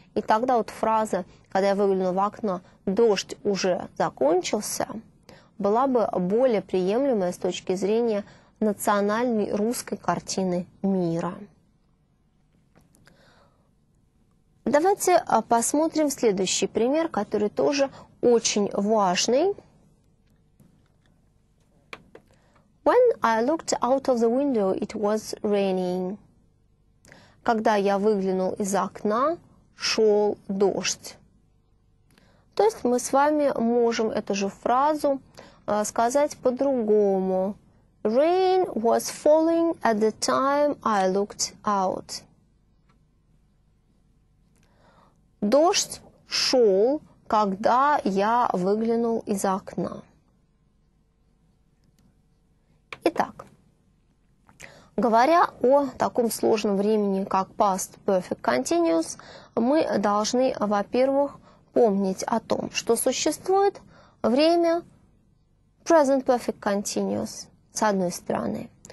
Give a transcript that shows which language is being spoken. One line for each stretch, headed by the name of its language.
Russian: И тогда вот фраза «когда я выглянул в окно, дождь уже закончился» была бы более приемлемая с точки зрения национальной русской картины мира. Давайте посмотрим следующий пример, который тоже очень важный.
English: When I looked out of the window, it was raining.
Russian: Когда я выглянул из окна, шел дождь. То есть мы с вами можем эту же фразу сказать по-другому.
English: Rain was falling at the time I looked out.
Russian: Дождь шел когда я выглянул из окна. Итак, говоря о таком сложном времени, как past perfect continuous, мы должны, во-первых, помнить о том, что существует время present perfect continuous, с одной стороны.